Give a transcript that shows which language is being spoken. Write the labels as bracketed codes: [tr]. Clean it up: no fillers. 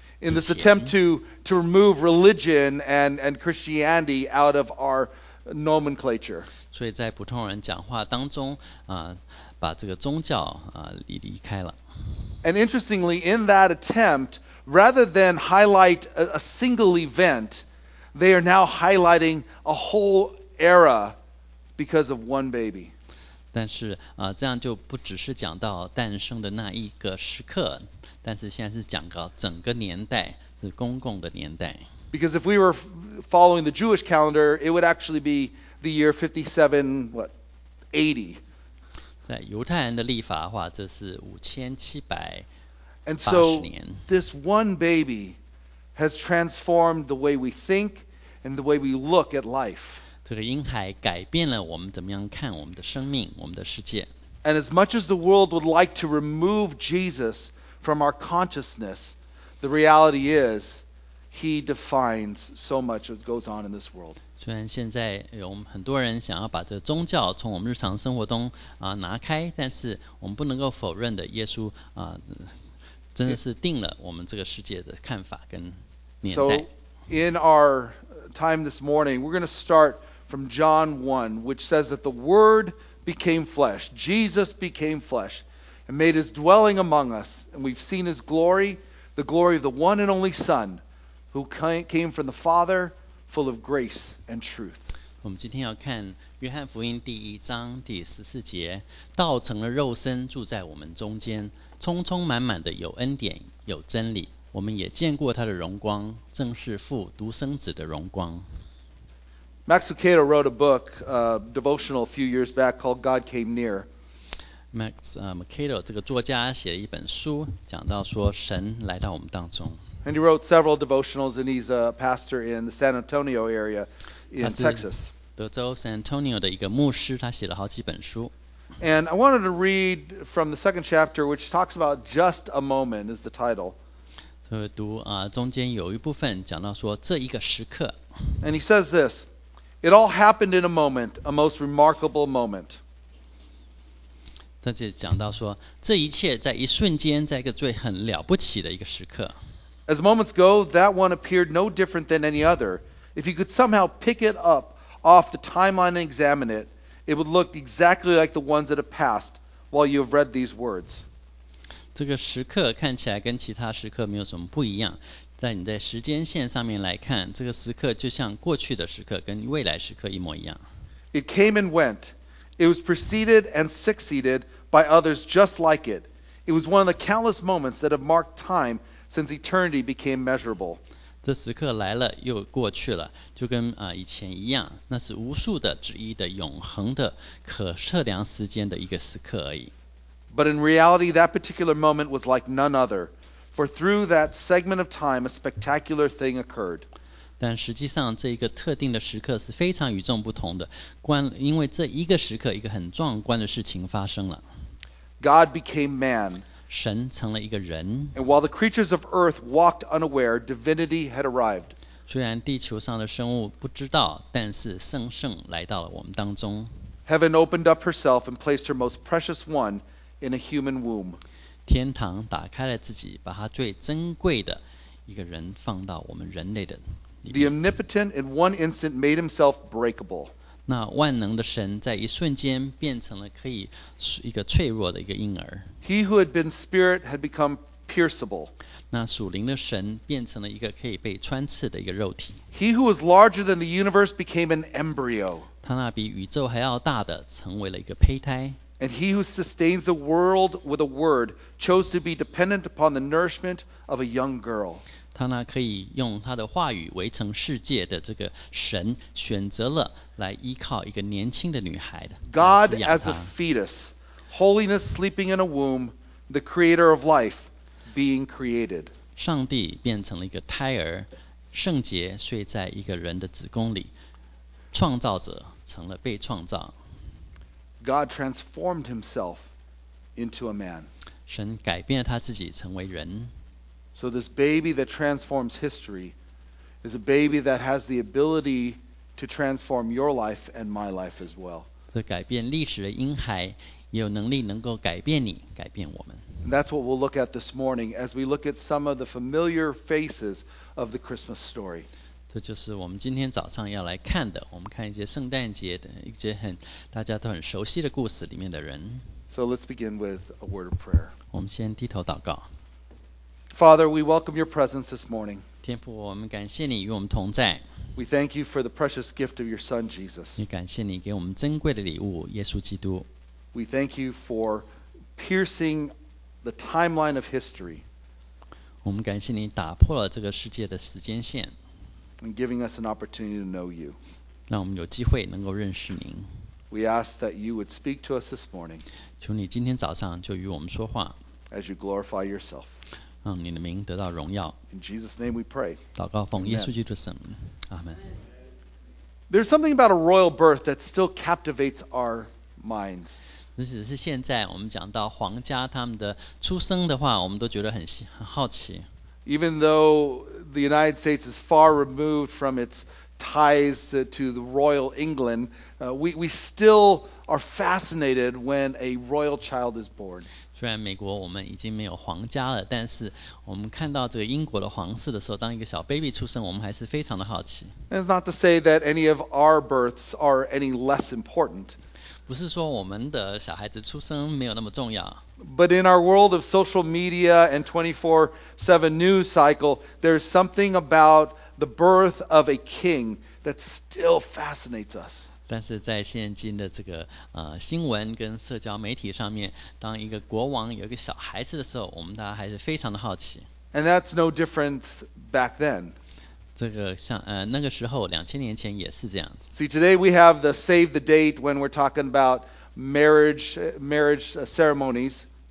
[en] In this attempt to remove religion and Christianity out of our nomenclature. [zh] 所以在普通人讲话当中把这个宗教离开了。 [en] And interestingly, in that attempt, rather than highlight a single event, they are now highlighting a whole era because of one baby. [zh] 但是这样就不只是讲到诞生的那一个时刻，但是现在是讲到整个年代，是公共的年代。 [en] Because if we were following the Jewish calendar, it would actually be the year 5780. [zh] 在犹太人的历法的话，这是5780年。 [en] And so this one baby has transformed the way we think and the way we look at life. [zh] 这个婴孩改变了我们怎么样看我们的生命，我们的世界。 [en] And as much as the world would like to remove Jesus from our consciousness, the reality is, he defines so much that goes on in this world. [zh] 虽然现在有很多人想要把这个宗教从我们日常生活中拿开，但是我们不能够否认的，耶稣真的是定了我们这个世界的看法跟年代。 [en] So in our time this morning, we're going to start. From John 1, which says that the Word became flesh, Jesus became flesh, and made his dwelling among us. And we've seen his glory, the glory of the one and only Son, who came from the Father, full of grace and truth. [zh] 我们今天要看约翰福音第一章第十四节，道成了肉身，住在我们中间，充充满满的有恩典，有真理。我们也见过他的荣光，正是父独生子的荣光。 [en] Max Lucado wrote a book, a devotional a few years back called God Came Near. [zh] Max Lucado, 这个作家写了一本书，讲到说神来到我们当中。 [en] And he wrote several devotionals, and he's a pastor in the San Antonio area in Texas. [zh] 德州 San Antonio 的一个牧师，他写了好几本书。 [en] And I wanted to read from the second chapter, which talks about just a moment, is the title. [zh] 所以读中间有一部分讲到说这一个时刻。 [en] And he says this,It all happened in a moment, a most remarkable moment. [zh] 他就讲到说，这一切在一瞬间，在一个最很了不起的一个时刻。 [en] As moments go, that one appeared no different than any other. If you could somehow pick it up off the timeline and examine it, it would look exactly like the ones that have passed while you have read these words. [zh] 这个时刻看起来跟其他时刻没有什么不一样。在你在时间线上面来看，这个时刻就像过去的时刻跟未来时刻一模一样。 [en] It came and went. It was preceded and succeeded by others just like it. It was one of the countless moments that have marked time since eternity became measurable. [zh] 这时刻来了又过去了，就跟以前一样，那是无数的之一的永恒的可测量时间的一个时刻而已。 [en] But in reality, that particular moment was like none other. For through that segment of time, a spectacular thing occurred. [zh] 但实际上，这一个特定的时刻是非常与众不同的。因为这一个时刻，一个很壮观的事情发生了。 [en] God became man. [zh] 神成了一个人。 [en] And while the creatures of earth walked unaware, divinity had arrived. [zh] 虽然地球上的生物不知道，但是圣圣来到了我们当中。 [en] Heaven opened up herself and placed her most precious one in a human womb. [zh] 天堂打开了自己，把他最珍贵的一个人放到我们人类的里面。 [en] The omnipotent in one instant made himself breakable. [zh] 那万能的神在一瞬间变成了可以一个脆弱的一个婴儿。 [en] He who had been spirit had become pierceable. [zh] 那属灵的神变成了一个可以被穿刺的一个肉体。 [en] He who was larger than the universe became an embryo. [zh] 他那比宇宙还要大的成为了一个胚胎。 [en] And he who sustains the world with a word chose to be dependent upon the nourishment of a young girl. [zh] 他那可以用他的话语围成世界的这个神，选择了来依靠一个年轻的女孩的。 [en] God as a fetus, holiness sleeping in a womb, the creator of life being created. [zh] 上帝变成了一个胎儿，圣洁睡在一个人的子宫里，创造者成了被创造。 [en] God transformed himself into a man. [zh] 神改变了他自己成为人。 [en] So this baby that transforms history is a baby that has the ability to transform your life and my life as well. [zh] 这改变历史的婴孩有能力能够改变你，改变我们。 [en] And that's what we'll look at this morning as we look at some of the familiar faces of the Christmas story. [zh] 这就是我们今天早上要来看的，我们看一些圣诞节的一些很大家都很熟悉的故事里面的人。 [en] So let's begin with a word of prayer. [zh] 我们先低头祷告。 [en] Father, we welcome your presence this morning. [zh] 天父，我们感谢你与我们同在。 [en] We thank you for the precious gift of your Son, Jesus. [zh] 你感谢你给我们珍贵的礼物，耶稣基督。 [en] We thank you for piercing the timeline of history. [zh] 我们感谢你打破了这个世界的时间线。 [en] And giving us an opportunity to know you. [zh] 让我们有机会能够认识您。 [en] We ask that you would speak to us this morning. [zh] 求你今天早上就与我们说话。 [en] As you glorify yourself. [zh] 让你的名得到荣耀。 [en] In Jesus' name we pray. [zh] 祷告奉耶稣基督的圣名。 [en] Amen. There's something about a royal birth that still captivates our minds. [zh] 即使是现在我们讲到皇家他们的出生的话，我们都觉得很好奇。 [en] Even though the United States is far removed from its ties to the royal England, we still are fascinated when a royal child is born. [zh] 虽然美国我们已经没有皇家了，但是我们看到这个英国的皇室的时候，当一个小 baby 出生，我们还是非常的好奇。 [en] And it's not to say that any of our births are any less important. [zh] 不是说我们的小孩子出生没有那么重要。 [en] But in our world of social media and 24/7 news cycle, there's something about the birth of a king that still fascinates us. [zh] 但是在现今的这个新闻跟社交媒体上面，当一个国王有一个小孩子的时候，我们大家还是非常的好奇。 [en] And that's no different back then. [zh] 这个像那个时候2000年前也是这样子。 [en] See, today we have the save the date when we're talking about marriage ceremonies.